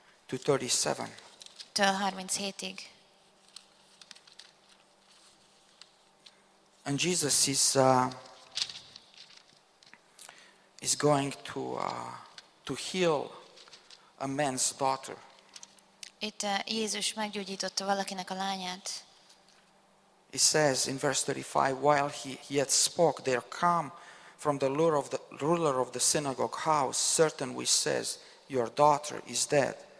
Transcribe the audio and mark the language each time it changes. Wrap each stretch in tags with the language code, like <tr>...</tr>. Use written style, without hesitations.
<en>To 37.</en> <hu>Től 37-ig.</hu> <en>And Jesus is going to heal a man's daughter.</en> <hu>Itt Jézus meggyógyította valakinek a lányát.</hu> <en>He says in verse 35, while he yet spoke, there came from the ruler of the synagogue house certain which says, your daughter is dead.</en>